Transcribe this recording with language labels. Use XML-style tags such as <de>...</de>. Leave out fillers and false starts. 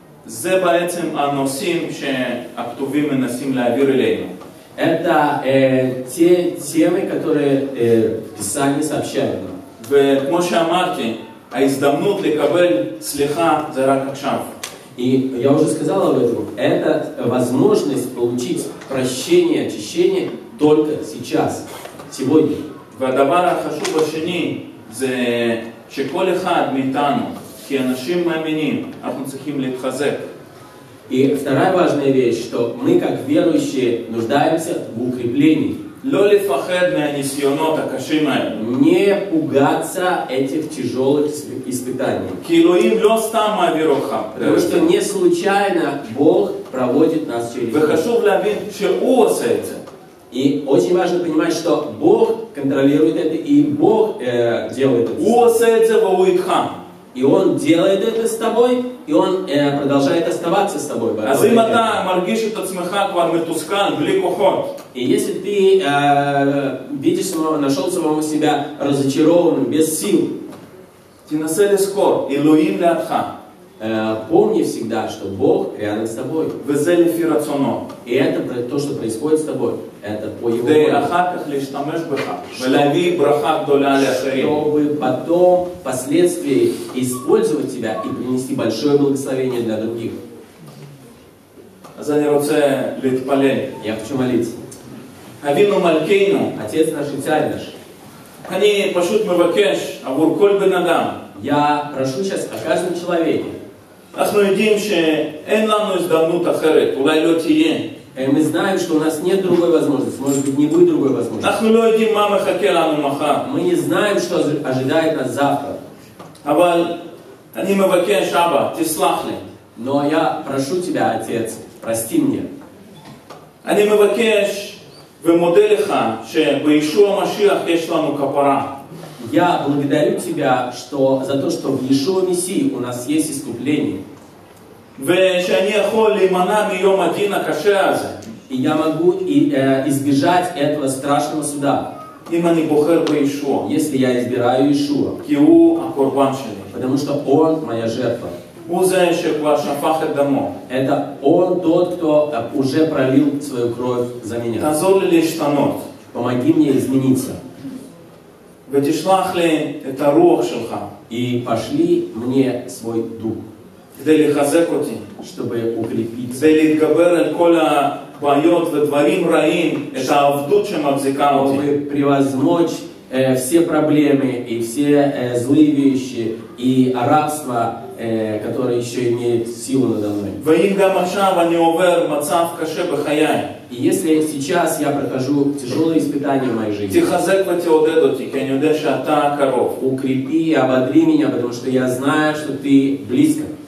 <he>זה בעצם הנושאים שהכתובים מנסים להעביר אלינו.</he> <ru>Это те темы, которые Писание сообщает нам.</ru> <he>וכמו שאמרתי, ההזדמנות לקבל סליחה זה רק עכשיו.</he> <ru>И я уже сказал об этом. Это возможность получить прощение, очищение только сейчас, сегодня.</ru> <he>והדבר החשוב השני זה שכל אחד מאיתנו, כי אנשים מאמינים, אנחנו צריכים להתחזק.</he> <ru>И вторая важная вещь, что мы, как верующие, нуждаемся в укреплении.</ru> <he>לא לפחד מהניסיונות הקשים האלה.</he> <ru>Не пугаться этих тяжелых испытаний.</ru> <he>כי אלוהים לא סתם מעביר אותך.</he> <ru>Потому что не случайно Бог проводит нас через это.</ru> <he>וחשוב להבין שהוא עושה את זה.</he> <ru>И очень важно понимать, что Бог контролирует это, и Бог делает это.</ru> <he>הוא עושה את זה והוא איתך.</he> <ru>И он делает это с тобой, и он продолжает оставаться с тобой.</ru> <he>אז אם אתה מרגיש את עצמך כבר מתוסכל, בלי כוחות.</he> <ru>И если ты видишь самого, нашел самого себя разочарованным, без сил,</ru> <he>תנסה לזכור, אלוהים לידך.</he> <ru>Помни всегда, что Бог рядом с тобой.</ru> <he>וזה לפי רצונו.</he> <ru>И это то, что происходит с тобой. Это по его воле.</ru> <he>Да, אחר כך להשתמש בך, ולהביא ברכה גדולה לאחרים.</he> <ru>Чтобы потом, впоследствии, использовать тебя и принести большое благословение для других.</ru> <he>אז אני רוצה להתפלל.</he> <ru>Я хочу молиться.</ru> <he>אבינו מלכינו,</he> <ru>Отец наш и Царь наш,</ru> <he>אני פשוט מבקש עבור כל בן אדם.</he> <ru>Я прошу сейчас о каждом человеке.</ru> <he>אנחנו יודעים שאין לנו הזדמנות אחרת, אולי לא תהיה.</he> <ru>Мы знаем, что у нас нет другой возможности, может быть, не будет другой возможности. Мы не знаем, что ожидает нас завтра. Но я прошу тебя, Отец, прости мне. Я благодарю тебя что, за то, что в Иешуа Мессии у нас есть искупление.</ru> <he>ושאני יכול להימנע מיום הדין הקשה הזה.</he> <ru>И я могу избежать этого страшного суда.</ru> <he>אם אני בוחר בישוע.</he> <ru>Если я избираю Иешуа.</ru> <he>כי הוא הקורבן שלי.</he> <ru>Потому что он моя жертва.</ru> <he>הוא זה שכבר שפך את דמו.</he> <ru>Это он тот, кто уже пролил свою кровь за меня.</ru> <he>תעזור לי להשתנות.</he> <ru>Помоги мне измениться.</ru> <he>ותשלח לי את הרוח שלך.</he> <ru>И пошли мне свой дух.</ru> <he>כדי לחזק אותי,</he> <ru>чтобы укрепить,</ru> <he>כדי להתגבר על כל הבעיות ודברים רעים, את העבדות שמחזיקה אותי,</he> <ru>чтобы превозмочь все проблемы и все злые вещи и рабство, которое еще имеет силу надо мной.</ru> <he>ואם גם עכשיו אני עובר מצב קשה בחיי,</he> <ru>и если сейчас я прохожу тяжелые испытания в моей жизни,</ru> <he>תחזק ואתה עודד אותי, כי אני יודע שאתה קרוב.</he> <ru>Укрепи и ободри меня, потому что я знаю, что ты близко.</ru>